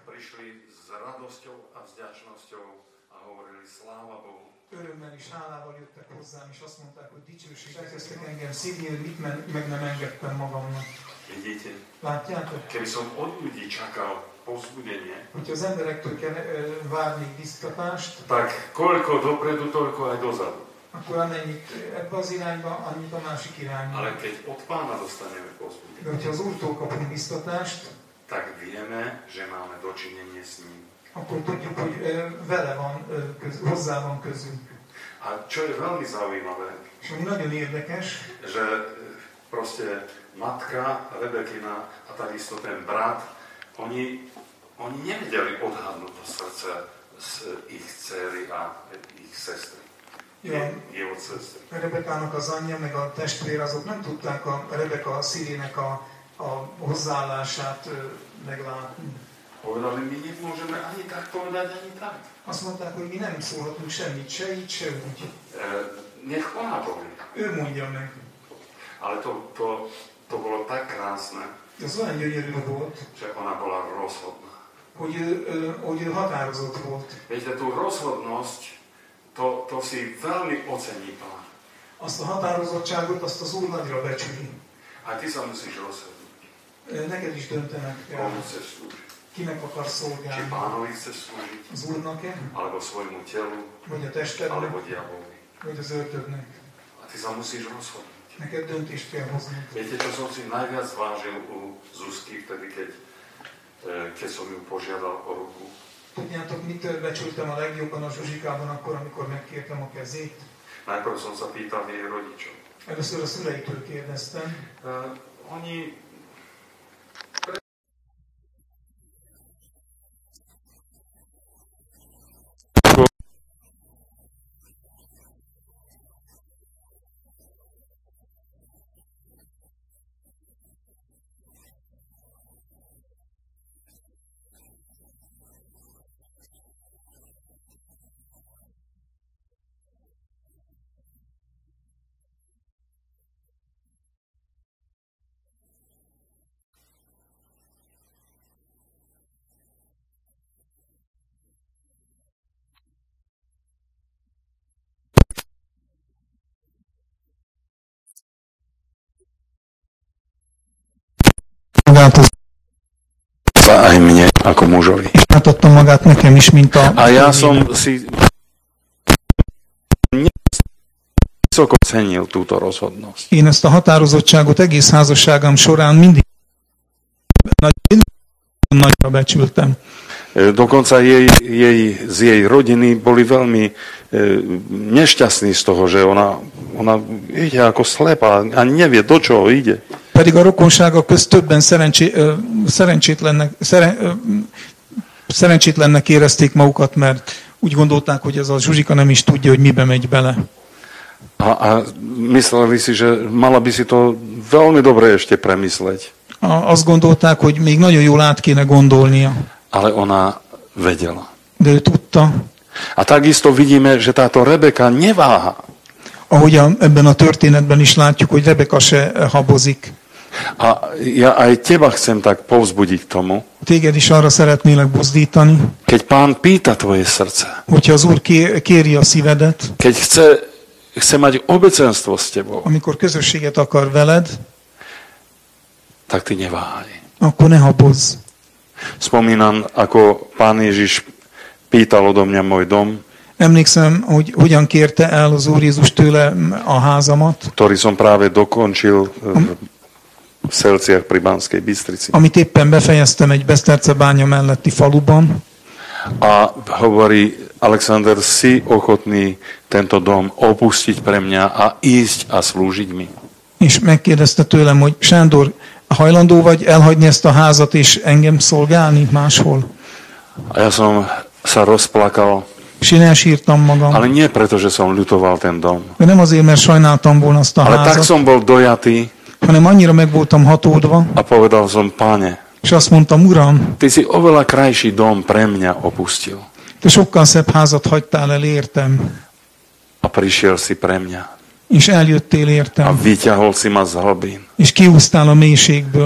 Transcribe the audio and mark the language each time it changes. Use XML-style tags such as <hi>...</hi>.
<sk>prišli s radosťou a vďačnosťou a hovorili sláva Bohu.</sk> <hu>Örömmel és hálával jöttek hozzám, és azt mondták, hogy dicsőséget kezdtek engem szívni, mert meg nem engedtem magamnak.</hu> <sk>Vidíte?</sk> <hu>Látjátok?</hu> <sk>Kebyszom od ľudí čakal pozbudenie.</sk> <hu>Hogyha az emberektől kell várni biztatást,</hu> <sk>tak koľko dopredu, toľko aj dozadu.</sk> <hu>Akkor amennyit ebbe az irányba, annyit a másik irányba.</hu> <sk>Ale keď od pána dostaneme pozbudenie.</sk> <hu>De hogyha az úrtól kapunk biztatást,</hu> <sk>tak vieme, že máme dočinenie s ním.</sk> <hu>Akkor tudjuk, hogy vele van, hozzá van közünk.</hu> <sk>Hát, čo je veľmi zaujímavé.</sk> <hu>És ami nagyon érdekes.</hu> <sk>Že proste matka Rebekina a takisto ten brat, oni nevedeli odhadnúť to srdce z ich dcery a ich sestry. Jeho sestry.</sk> <hu>Rebekának az anyja, meg a testvér, azok nem tudták a Rebeka a szívének a hozzáállását meglátni.</hu> <sk>Povedali, my nemôžeme ani tak povedať, ani tak.</sk> <hu>Azt mondták, hogy mi nem szólhatunk semmit, se így, se úgy.</hu> <sk>Nech ona povie.</sk> <hu>Ő mondja meg.</hu> <sk>Ale to bolo tak krásne.</sk> <hu>Ez olyan gyönyörű volt.</hu> <sk>Že ona bola rozhodná.</sk> <hu>Hogy határozott volt.</hu> <sk>Viete, tú rozhodnosť, to si veľmi ocení pán.</sk> <hu>Azt a határozottságot, azt az Úr nagyra becsüli.</hu> <sk>A ty sa musíš rozhodniť.</sk> <hu>Neked is döntenek.</hu> <sk>Komu chceš slúžiť.</sk> <hu>Kinek akar szolgálni?</hu> <sk>Či pánovi chceš slúžiť?</sk> <hu>Az Úrnak-e?</hu> <sk>Alebo svojmu telu?</sk> <hu>Vagy a testednek?</hu> <sk>Alebo diabolmi?</sk> <hu>Vagy az ördögnek?</hu> <sk>A ty sa musíš rozhodniť.</sk> <hu>Neked döntést kell hozni.</hu> <sk>Viete, čo som si najviac vážil u Zuzky, vtedy, keď som ju požiadal o ruku?</sk> <hu>Tudjátok, mit becsültem a legjobban a Zsuzsikában akkor, amikor megkértem a kezét?</hu> <sk>Najprv som sa pýtal jej rodičom.</sk> <hu>Először a szüleitől kérdeztem.</hu> <sk>Oni... aj mne, ako mužovi.</sk> <hu>Átadta magát nekem is, mint a...</hu> <sk>A ja som si... ...vysoko cenil túto rozhodnosť.</sk> <hu>Én ezt a határozottságot egész házasságom során mindig... ...nagyra becsültem.</hu> <sk>Dokonca jej z jej rodiny boli veľmi nešťastní z toho, že ona ide ako slepá a nevie, do čoho ide.</sk> <hu>Pedig a rokonsága közt többen szerencsétlennek érezték magukat, mert úgy gondolták, hogy ez a Zsuzsika nem is tudja, hogy mibe megy bele.</hu> <sk>A mysleli si, že mala by si to veľmi dobre ešte premysleť.</sk> <hu>Azt gondolták, hogy még nagyon jól át kéne gondolnia.</hu> <sk>Ale ona vedela.</sk> <hu>De ő tudta.</hu> <sk>A takisto vidíme, že táto Rebeka neváha.</sk> <hu>Ahogy ebben a történetben is látjuk, hogy Rebeka se habozik.</hu> <sk>A ja aj teba chcem tak povzbudiť k tomu.</sk> <hu>Téged is arra szeretnélek buzdítani.</hu> <sk>Keď pán pýta tvoje srdce.</sk> <hu>Hogyha az Úr kéri a szívedet.</hu> <sk>Keď chce mať obecenstvo s tebou.</sk> <hu>Amikor közösséget akar veled.</hu> <sk>Tak ty neváhaj.</sk> <hu>Akkor ne habozz.</hu> <sk>Spomínam, ako pán Ježiš pýtal odo mňa môj dom.</sk> <hu>Emlékszem, hogy hogyan kérte el az Úr Jézus tőle a házamat.</hu> <sk>Ktorý som práve dokončil v Selciach pri Banskej Bystrici.</sk> <hu>Amit éppen befejeztem egy Besztercze bánya melletti faluban.</hu> <sk>A hovorí, Alexander, si ochotný tento dom opustiť pre mňa a ísť a slúžiť mi?</sk> <hu>És megkérdezte tőlem, hogy Sándor, hajlandó vagy elhagyni ezt a házat és engem szolgálni máshol?</hu> <sk>A ja som sa rozplakal.</sk> <hu>Én elsírtam magam.</hu> <sk>Ale nie preto, že som ľutoval ten dom.</sk> <hu>Nem azért, mert sajnáltam volna azt a házat.</hu> <sk>Ale tak som bol dojatý.</sk> <hu>Hanem annyira meg voltam hatódva.</hu> <sk>A povedal som, páne.</sk> <hu>És azt mondtam, uram.</hu> <sk>Ty si oveľa krajší dom pre mňa opustil.</sk> <hu>Te sokkal szebb házat hagytál el értem.</hu> <sk>A prišiel si pre mňa.</sk> <hu>És eljöttél értem.</hu> <sk>A vyťahol si ma z hlbín.</sk> <hu>És kiúsztál a mélységből.</hu>